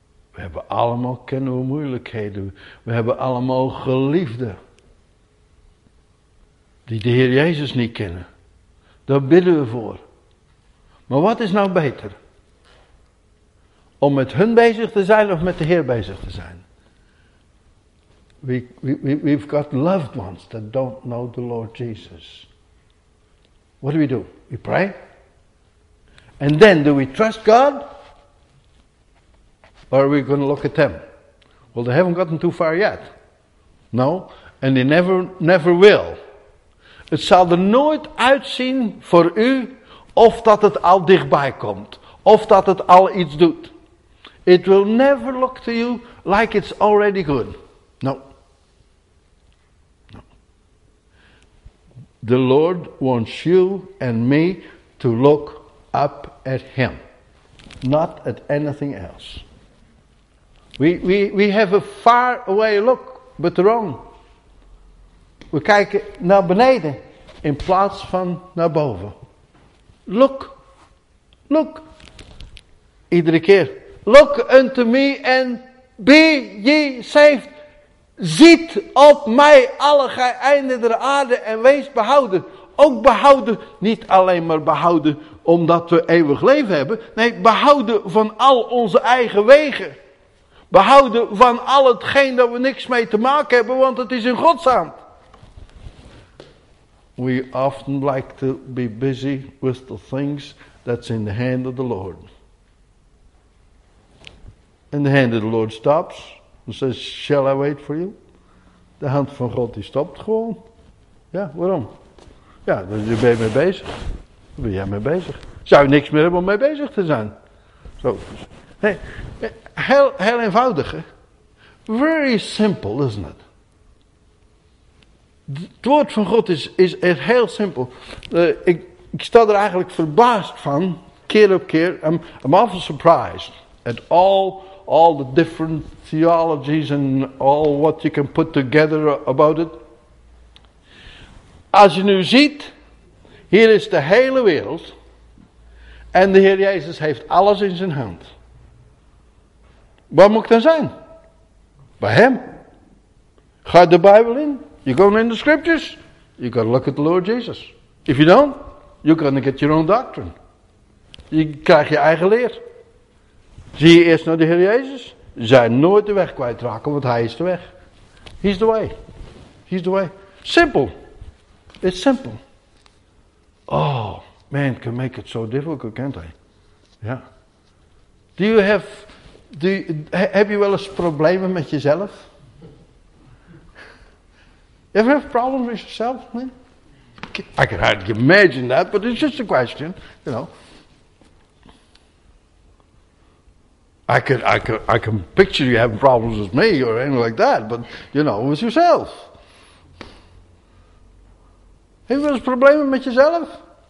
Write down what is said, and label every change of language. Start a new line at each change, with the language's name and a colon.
Dutch: We hebben allemaal kennen we moeilijkheden. We hebben allemaal geliefden. Die de Heer Jezus niet kennen. Daar bidden we voor. Maar wat is nou beter? Om met hun bezig te zijn of met de Heer bezig te zijn?
English: We've got loved ones that don't know the Lord Jesus. What do? We pray. And then, do we trust God? Or are we going to look at them? Well, they haven't gotten too far yet. No, and they never will.
Dutch: Het zal er nooit uitzien voor u of dat het al dichtbij komt. Of dat het al iets doet.
English: It will never look to you like it's already good. No. No. The Lord wants you and me to look up at Him. Not at anything else. We have a far away look, but wrong.
Dutch: We kijken naar beneden in plaats van naar boven.
English: Look.
Dutch: Iedere keer.
English: Look unto me and be ye saved.
Dutch: Ziet op mij alle gij einde der aarde en wees behouden. Ook behouden, niet alleen maar behouden omdat we eeuwig leven hebben. Nee, behouden van al onze eigen wegen. Behouden van al hetgeen dat we niks mee te maken hebben, want het is in Gods hand.
English: We often like to be busy with the things that's in the hand of the Lord. And the hand of the Lord stops and says, shall I wait for you?
Dutch: De hand van God die stopt gewoon. Ja, waarom? Ja, dan ben je mee bezig. Dan ben jij mee bezig. Zou je niks meer hebben om mee bezig te zijn? Zo. Nee, heel eenvoudig. Hè?
English: Very simple, isn't it?
Dutch: Het woord van God is heel simpel. Ik sta er eigenlijk verbaasd van, keer op keer.
English: I'm often surprised at all the different theologies and all what you can put together about it.
Dutch: Als je nu ziet, hier is de hele wereld en de Heer Jezus heeft alles in zijn hand. Waar moet ik dan zijn? Bij hem. Ga je de Bijbel in?
English: You go in the scriptures? You got to look at the Lord Jesus. If you don't, you're going to get your own doctrine.
Dutch: Je krijgt je eigen leer. Zie je eerst naar de Heer Jezus? Zij nooit de weg kwijtraken, want hij is de weg.
English: He's the way. He's the way. Simple. It's simple. Oh, man can make it so difficult, can't I? Yeah. Have you
Dutch: wel eens problemen met jezelf?
English: You ever have problems with yourself, man? I can hardly imagine that, but it's just a question, you know. I can picture you having problems with me or anything like that, but you know, with yourself.
Dutch: Heb je wel eens problemen met jezelf?